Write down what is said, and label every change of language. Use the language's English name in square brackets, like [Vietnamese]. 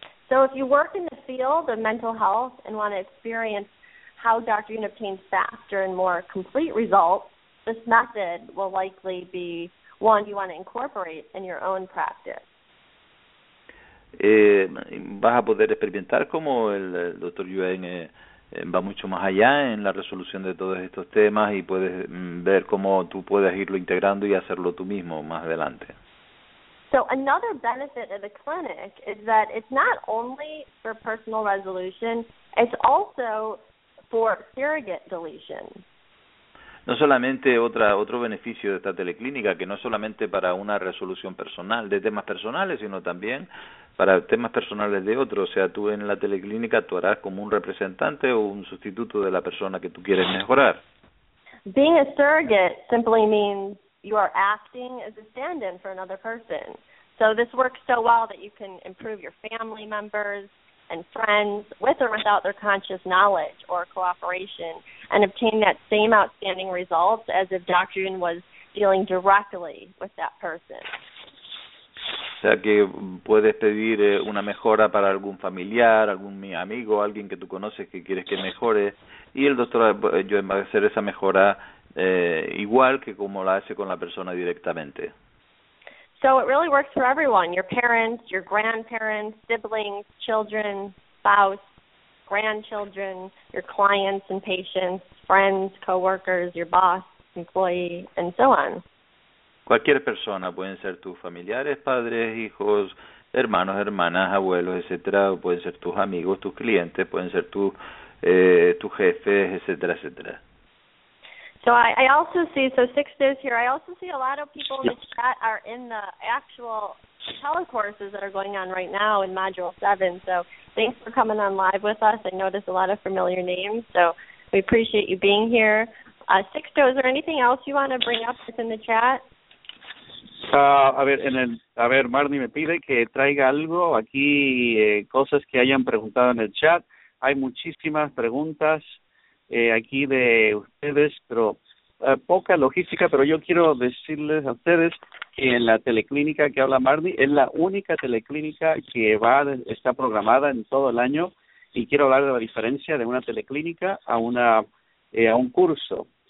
[English] So if you work in the field of mental health and want to experience how Dr. Yun obtains faster and more complete results, this method will likely be one you want to incorporate in your own practice. [Spanish] Vas a poder experimentar cómo el Dr. Yuen va mucho más allá en la resolución de todos estos temas, y puedes ver cómo tú puedes irlo integrando y hacerlo tú mismo más adelante. [English] So another benefit of the clinic is that it's not only for personal resolution, it's also for surrogate deletion. [Spanish] No solamente otro beneficio de esta teleclínica, que no es solamente para una resolución personal de temas personales, sino también para temas personales de otros. O sea, tú en la teleclínica actuarás como un representante o un sustituto de la persona que tú quieres mejorar. [English] Being a surrogate simply means you are acting as a stand-in for another person. So this works so well that you can improve your family members and friends with or without their conscious knowledge or cooperation, and obtain that same outstanding results as if Dr. Yun was dealing directly with that person. [Spanish] O sea, que puedes pedir una mejora para algún familiar, algún amigo, alguien que tú conoces que quieres que mejore, y el doctor Yun va a hacer esa mejora igual que como la hace con la persona directamente. [English] So it really works for everyone, your parents, your grandparents, siblings, children, spouse, grandchildren, your clients and patients, friends, coworkers, your boss, employee, and so on. [Spanish] Cualquier persona, pueden ser tus familiares, padres, hijos, hermanos, hermanas, abuelos, etcétera, o pueden ser tus amigos, tus clientes, pueden ser tus jefes, etcétera, etcétera. [English] So I also see, so Six is here, I also see a lot of people in the chat are in the actual telecourses that are going on right now in Module 7. So thanks for coming on live with us. I noticed a lot of familiar names, so we appreciate you being here. Six, is there anything else you want to bring up that's in the chat? [Spanish] A ver, Marnie me pide que traiga algo aquí, cosas que hayan preguntado en el chat. hay muchísimas preguntas aquí de ustedes, pero poca logística, pero yo quiero decirles a ustedes que en la teleclínica que habla Marnie, es la única teleclínica que está programada en todo el año, y quiero hablar de la diferencia de una teleclínica a un curso.